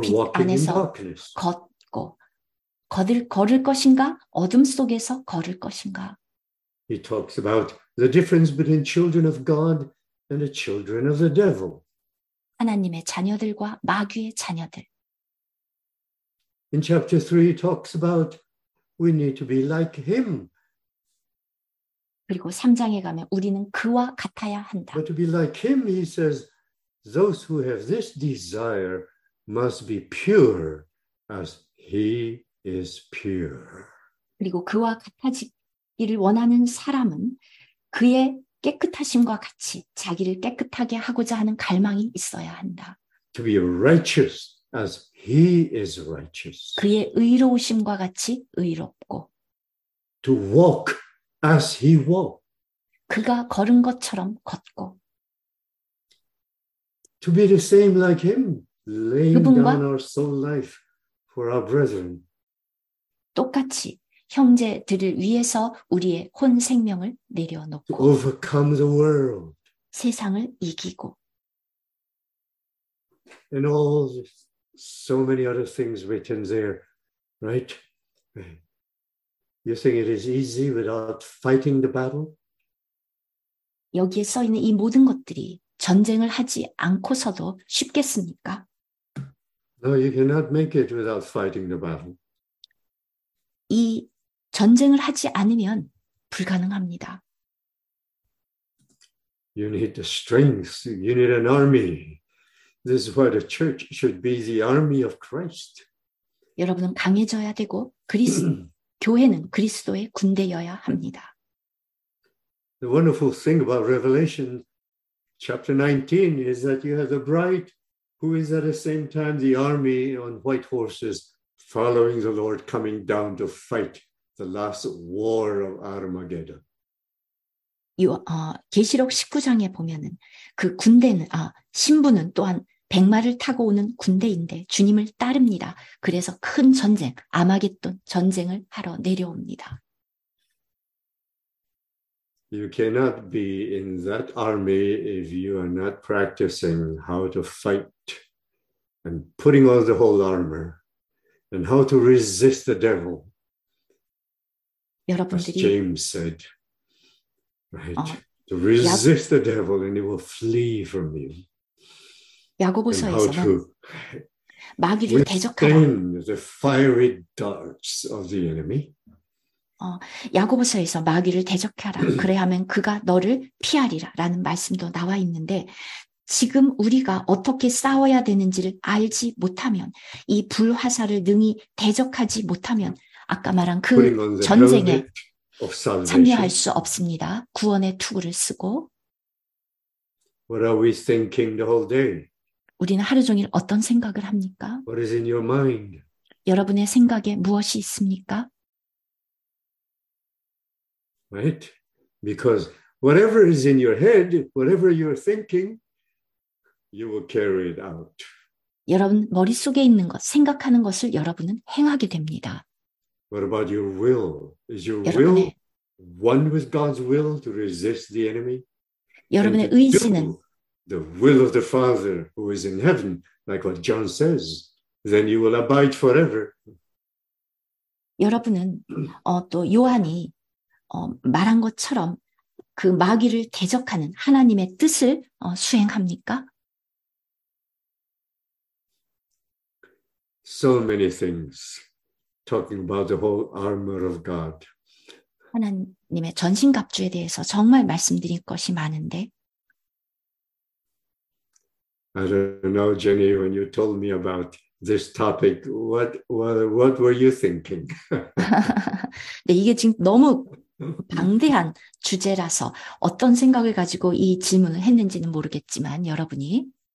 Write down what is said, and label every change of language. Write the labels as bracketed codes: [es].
[ko] 빛 안에서 걷고 걸을 것인가 어둠 속에서 걸을 것인가. [en] He talks about the difference between children of God and the children of the devil. [ko] 하나님의 자녀들과 마귀의 자녀들. [en] In chapter 3 he talks about we need to be like him. [ko] 그리고 3장에 가면 우리는 그와 같아야 한다. [en] But to be like him he says those who have this desire must be pure as he is pure. [ko] 그리고 그와 같아지기를 원하는 사람은 그의 깨끗하심과 같이 자기를 깨끗하게 하고자 하는 갈망이 있어야 한다. [en] To be righteous as he is righteous. [ko] 그의 의로우심과 같이 의롭고. [en] To walk as he walked. [ko] 그가 걸은 것처럼 걷고. [en] To be the same like him. Laying down our soul life for our brethren. [ko] 똑같이 형제들을 위해서 우리의 혼 생명을 내려놓고. [en] To overcome the world. [ko] 세상을 이기고. [en] And all this, so many other things written there, right? You think it is easy without fighting the battle? [ko] 여기에 써 있는 이 모든 것들이 전쟁을 하지 않고서도 쉽겠습니까? [en] No, you cannot make it without fighting the battle. [ko] 이 전쟁을 하지 않으면 불가능합니다. [en] You need the strength. You need an army. This is why the church should be the army of Christ. [ko] 여러분은 강해져야 되고 교회는 그리스도의 군대여야 합니다. [en] The wonderful thing about Revelation chapter 19 is that you have the bride who is at the same time the army on white horses following the Lord coming down to fight the last war of Armageddon. [ko] 계시록 19장에 보면은 그 군대는 신부는 또한 백마를 타고 오는 군대인데 주님을 따릅니다. 그래서 큰 전쟁, 아마겟돈 전쟁을 하러 내려옵니다. [en] You cannot be in that army if you are not practicing how to fight and putting on the whole armor and how to resist the devil. [ko] 여러분들이, [en] as James said, right? To resist the devil and he will flee from you. [ko] 야고보서에서는 [en] how to [ko] 마귀를 대적하라. [en] Withstand the fiery darts of the enemy. [ko] 야고보서에서 마귀를 대적하라. 그래하면 그가 너를 피하리라 라는 말씀도 나와 있는데 지금 우리가 어떻게 싸워야 되는지를 알지 못하면 이 불화살을 능히 대적하지 못하면 아까 말한 그 전쟁에 참여할 수 없습니다. 구원의 투구를 쓰고 [en] What are we thinking the whole day? [ko] 우리는 하루 종일 어떤 생각을 합니까? [en] What is in your mind? [ko] 여러분의 생각에 무엇이 있습니까? [en] Right? Because whatever is in your head, whatever you're thinking, you will carry it out. [ko] 여러분 머릿속에 있는 것, 생각하는 것을 여러분은 행하게 됩니다. [en] What about your will? Is your will one with God's will to resist the enemy? [ko] 여러분의 의지는 [en] the will of the Father who is in heaven, like what John says, then you will abide forever. [ko] 여러분은 또 요한이 말한 것처럼 그 마귀를 대적하는 하나님의 뜻을 수행합니까? [en] So many things talking about the whole armor of God. [ko] 하나님의 전신갑주에 대해서 정말 말씀드릴 것이 많은데. [en] I don't know, Jenny, when you told me about this topic, what were you thinking? [ko] 네, 이게 지금 너무 방대한 주제라서 어떤 생각을 가지고 이 질문을 했는지는 모르겠지만 여러분이.